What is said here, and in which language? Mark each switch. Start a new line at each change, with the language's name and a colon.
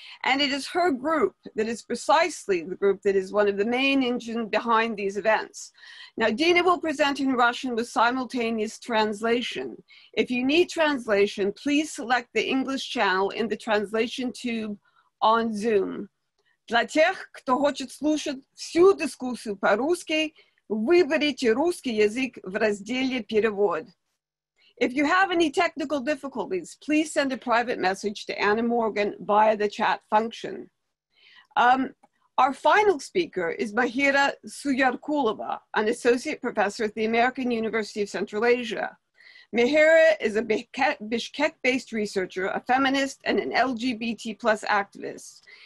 English: And it is her group that is precisely the group that is one of the main engines behind these events. Now, Dina will present in Russian with simultaneous translation. If you need translation, please select the English channel in the translation tube on Zoom.
Russian: Для тех, кто хочет слушать всю дискуссию по-русски, выберите русский язык в разделе «Перевод».
English: If you have any technical difficulties, please send a private message to Anna Morgan via the chat function. Our final speaker is Mahira Suyarkulova, an associate professor at the American University of Central Asia. Mahira is a Bishkek-based researcher, a feminist, and an LGBT plus activist.